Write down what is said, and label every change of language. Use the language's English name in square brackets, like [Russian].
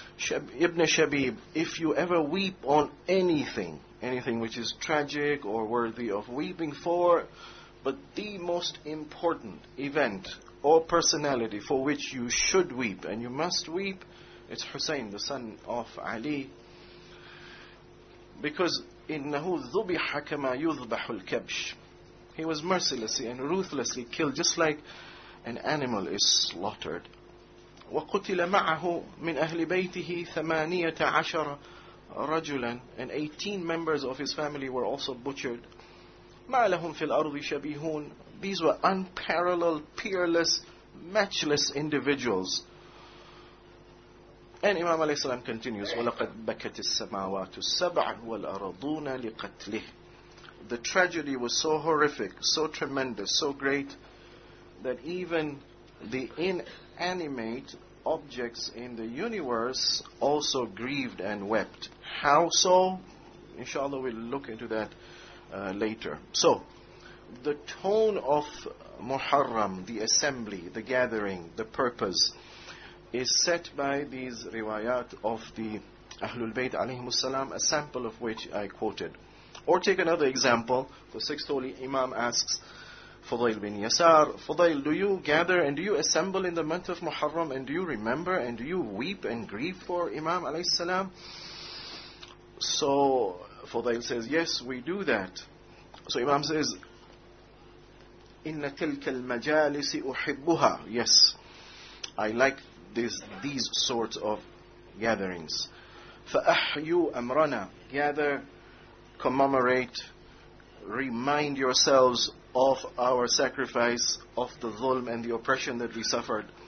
[English] Ibn Shabib, if you ever weep on anything which is tragic or worthy of weeping for, but the most important event or personality for which you should weep, and you must weep, it's Husayn, the son of Ali. Because [Arabic] إِنَّهُ ذُبِحَ كَمَا يُذْبَحُ الْكَبْشِ. [English] He was mercilessly and ruthlessly killed, just like an animal is slaughtered. [Arabic] وَقُتِلَ مَعَهُ مِنْ أَهْلِ بَيْتِهِ ثَمَانِيَةَ عَشَرَ رَجُلًا. [English] And 18 members of his family were also butchered. [Arabic] مَا لَهُمْ فِي الْأَرْضِ شَبِيهُونَ. [English] These were unparalleled, peerless, matchless individuals. And Imam alayhi salam continues, [Arabic] وَلَقَدْ بَكَتِ السَّمَاوَاتُ السَّبْعَ وَالْأَرَضُونَ لِقَتْلِهِ. [English] The tragedy was so horrific, so tremendous, so great, that even the inanimate objects in the universe also grieved and wept. How so? Inshallah, we'll look into that later. So, the tone of Muharram, the assembly, the gathering, the purpose, is set by these riwayat of the Ahlul Bayt alayhimus salam, a sample of which I quoted. Or take another example. The sixth holy Imam asks Fudail bin Yasar, Fudail, do you gather and do you assemble in the month of Muharram, and do you remember and do you weep and grieve for Imam alayhis salam? So Fudail says, yes, we do that. So Imam says, [Arabic] إِنَّ تِلْكَ الْمَجَالِسِ أُحِبُّهَا. [English] Yes, I like these sorts of gatherings. [Arabic] فَأَحْيُوا أَمْرَنَا. [English] Gather, commemorate, remind yourselves of our sacrifice, of the dhulm and the oppression that we suffered.